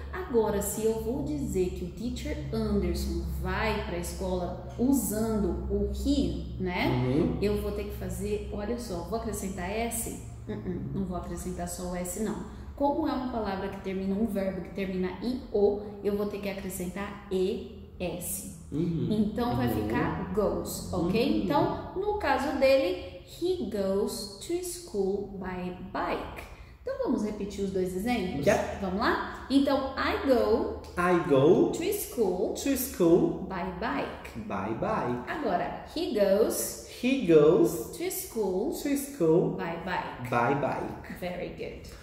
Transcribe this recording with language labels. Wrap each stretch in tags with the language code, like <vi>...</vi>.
<pt>Agora, se eu vou dizer que o teacher Anderson vai para a escola usando o he, né? Eu vou ter que fazer, olha só, vou acrescentar S? Não vou acrescentar só o S, não. Como é uma palavra que termina, um verbo que termina em O, eu vou ter que acrescentar ES. Então vai ficar goes, ok? Então, no caso dele,</pt> <en>he goes to school by bike.</en> <pt>Então vamos repetir os dois exemplos? Vamos lá? Então,</pt> <en>I go I go to school to school by bike. by bike.</en> <pt>Agora,</pt> <en>he goes He goes to school to school by bike. by bike. Very good.</en>